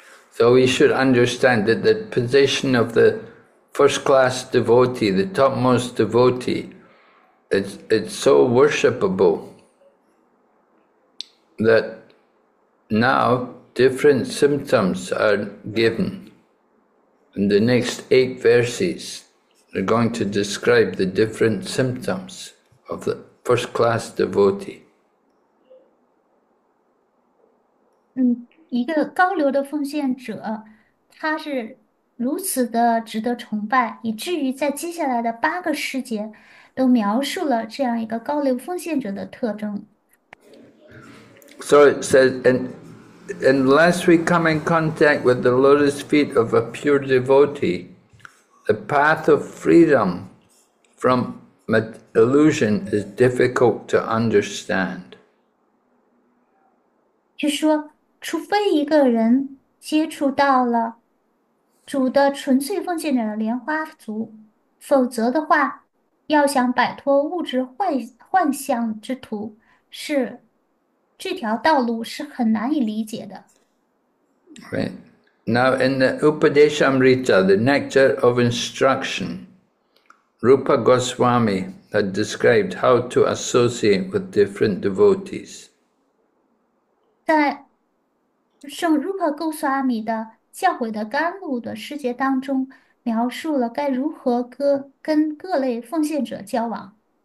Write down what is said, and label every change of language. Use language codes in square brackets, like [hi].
[en] So we should understand that the position of the first class devotee, the topmost devotee, it's so worshipable that now different symptoms are given. In the next 8 verses, they're going to describe the different symptoms of the first class devotee. [zh] 一个高流的奉献者，他是如此的值得崇拜，以至于在接下来的8个世节都描述了这样一个高流奉献者的特征。 [en] So it says, unless we come in contact with the lotus feet of a pure devotee, the path of freedom from illusion is difficult to understand. [zh] 据说。除非一个人接触到了主的纯粹奉献者的莲花足，否则的话，要想摆脱物质幻象之途，是这条道路是很难以理解的。 [en] Right. Now, in the Upadeshamrita, the Nectar of Instruction, Rupa Goswami had described how to associate with different devotees. [zh] 在圣 Rupa Goswami 的教诲的甘露的诗节当中，描述了该如何跟各类奉献者交往。